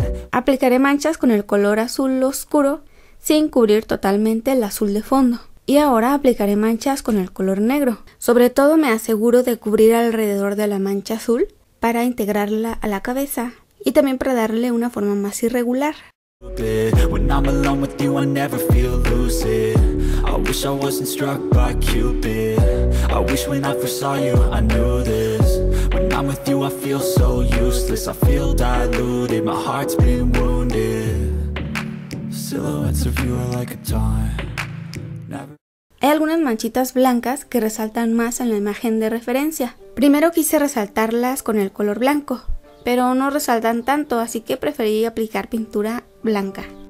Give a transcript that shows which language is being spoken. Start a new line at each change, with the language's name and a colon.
Spanish: Aplicaré manchas con el color azul oscuro sin cubrir totalmente el azul de fondo. Y ahora aplicaré manchas con el color negro. Sobre todo me aseguro de cubrir alrededor de la mancha azul para integrarla a la cabeza y también para darle una forma más irregular.
English: When I'm alone with you, I never feel lucid. I wish I wasn't struck by Cupid. I wish when I first saw you, I knew this. When I'm with you, I feel so useless. I feel diluted, my heart's been wounded. Silhouettes of you are like a time.
Spanish: Hay algunas manchitas blancas que resaltan más en la imagen de referencia. Primero quise resaltarlas con el color blanco, pero no resaltan tanto, así que preferí aplicar pintura blanca.